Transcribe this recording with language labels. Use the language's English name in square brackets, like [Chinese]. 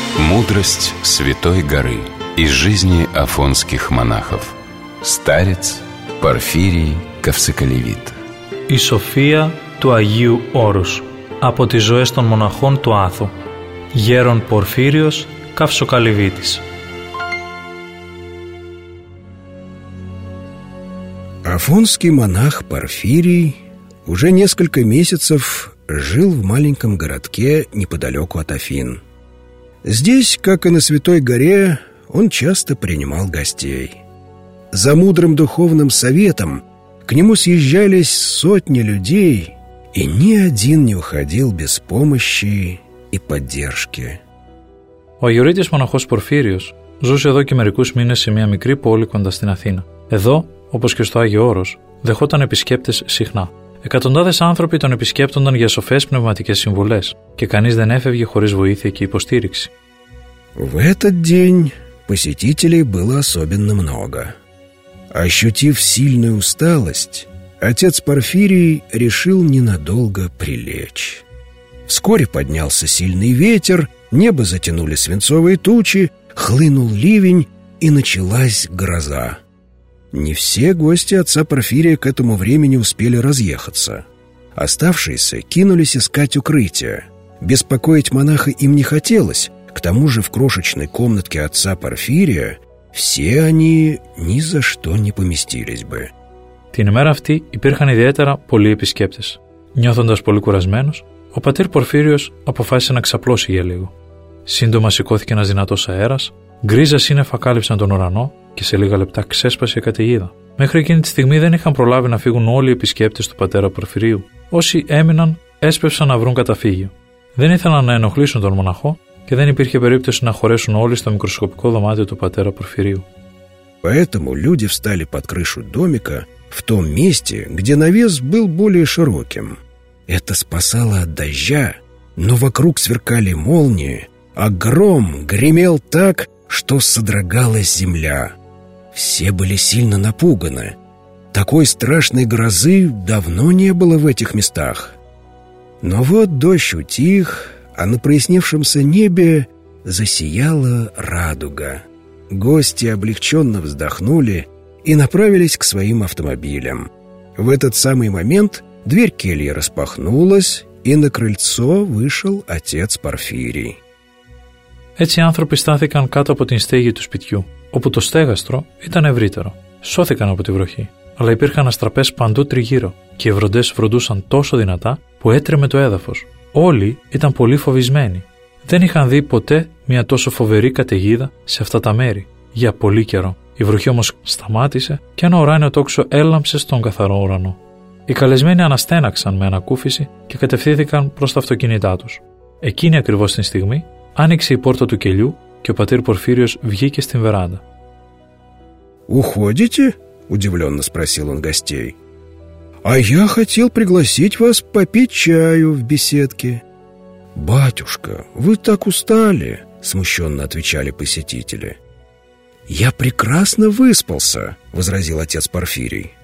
[Russian] Мудрость Святой Горы из жизни афонских монахов. Старец Порфирий Ковсоколевит. [Greek] И София του Αγίου Όρους από τις ζωές των μοναχών του Άθου. Γέρον Πορφύριος Καυσοκαλυβίτης. [Russian] Афонский монах Порфирий уже несколько месяцев жил в маленьком городке неподалеку от Афин. Здесь, как и на Святой Горе, он часто принимал гостей. За мудрым духовным советом к нему съезжались сотни людей, и ни один не уходил без помощи и поддержки. [Greek] Ο Ιωρίτης μοναχός Πορφύριος ζούσε εδώ και μερικούς μήνες σε μια μικρή πόλη κοντά στην Αθήνα. Εδώ, όπως και στο Άγιο Όρος, δεχόταν επισκέπτες συχνά. Εκατοντάδες άνθρωποι τον επισκέπτονταν για σοφές πνευματικές συμβουλές και κανείς δεν έφευγε χωρίς βοήθεια και υποστήριξη. [Russian] В этот день посетителей было особенно много. Ощутив сильную усталость, Отец Порфирий решил ненадолго прилечь. Вскоре поднялся сильный ветер, небо затянули свинцовые тучи, хлынул ливень, и началась гроза. Не все гости отца Порфирия к этому времени успели разъехаться. Оставшиеся кинулись искать укрытие. Беспокоить монаха им не хотелось, к тому же в крошечной комнатке отца Порфирия все они ни за что не поместились бы. [Greek] Την ημέρα αυτή υπήρχαν ιδιαίτερα πολλοί επισκέπτες. Νιώθοντας πολύ κουρασμένος, ο πατήρ Πορφύριος αποφάσισε να ξαπλώσει για λίγο. Σύντομα σηκώθηκε ένας δυνατός αέρας, γκρίζα σύννεφα κάλυψαν τον ουρανό και σε λίγα λεπτά ξέσπασε η καταιγίδα. Μέχρι εκείνη τη στιγμή δεν είχαν προλάβει να φύγουν όλοι οι επισκέπτες του πατέρα Πορφυρίου. Όσοι έμειναν, έσπευσαν να βρουν καταφύγιο. Δεν ήθελαν να ενοχλήσουν τον μοναχό και δεν υπήρχε περίπτωση να χωρέσουν όλοι στο μικροσκοπικό δωμάτιο του πατέρα Πορφυρίου. [Russian] Поэтому люди встали под крышу домика в том месте, где навес был более широким. Это спасало от дождя, но вокруг сверкали молнии, а гром гремел так, что содрогалась земля. Все были сильно напуганы. Такой страшной грозы давно не было в этих местах. Но вот дождь утих, а на прояснившемся небе засияла радуга. Гости облегченно вздохнули и направились к своим автомобилям. В этот самый момент дверь кельи распахнулась, и на крыльцо вышел отец Порфирий. [Greek] Έτσι οι άνθρωποι στάθηκαν κάτω από την στέγη του σπιτιού, όπου το στέγαστρο ήταν ευρύτερο. Σώθηκαν από τη βροχή, αλλά υπήρχαν αστραπές παντού τριγύρω και οι βροντές βροντούσαν τόσο δυνατά που έτρεμε το έδαφος. Όλοι ήταν πολύ φοβισμένοι. Δεν είχαν δει ποτέ μια τόσο φοβερή καταιγίδα σε αυτά τα μέρη. Για πολύ καιρό η βροχή όμως σταμάτησε και ένα ουράνιο τόξο έλαμψε στον καθαρό ουρανό. Οι καλεσμένοι αναστέναξαν με ανακούφιση και κατευθύνθηκαν προς τα αυτοκίνητά τους. Εκείνη ακριβώς την στιγμή άνοιξε η πόρτα του κελιού και ο πατήρ Πορφύριος βγήκε στην βεράντα. [Russian] «Уходите?» – удивленно спросил он гостей. «А я хотел пригласить вас попить чаю в беседке». «Батюшка, вы так устали!» – смущенно отвечали посетители. «Я прекрасно выспался!» – возразил отец Порфирий.